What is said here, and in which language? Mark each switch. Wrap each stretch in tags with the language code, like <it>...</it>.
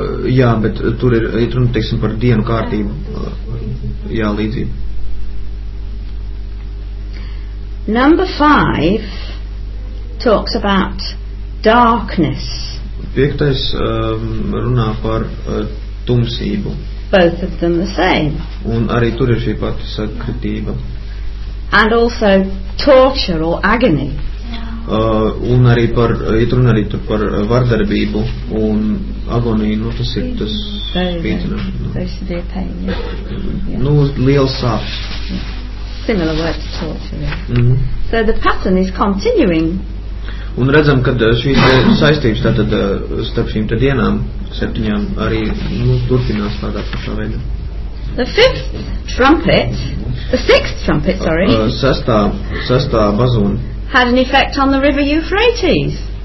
<lv>jā, bet tur ir, runa, teiksim, par dienu kārtību. Jā, līdzību.</lv> <en>Number 5 talks about darkness.</en> <lv>Piektais runā par tumsību.</lv> <en>Both of them the same.</en> <lv>Un arī tur ir šī pati sakritība.</lv> <en>And also torture or agony.</en> <lv>Un arī par, runā arī tur par vardarbību un agoniju, nu tas ir tas spīdzinājums.</lv> <en>Those are pain, yeah.</en> <lv>Nu, liels sāpes.</lv> <en>Similar word to torture. Mm-hmm. So the pattern is continuing.</en> <lv>Un redzam, kad šīs saistības tātad starp šīm te dienām septiņām arī nu, turpinās tādā pašā veidā.</lv> <en>The fifth trumpet, the sixth trumpet, sorry.</en> <lv>Sestā bazūna.</lv> <en>Had an effect on the river Euphrates.</en>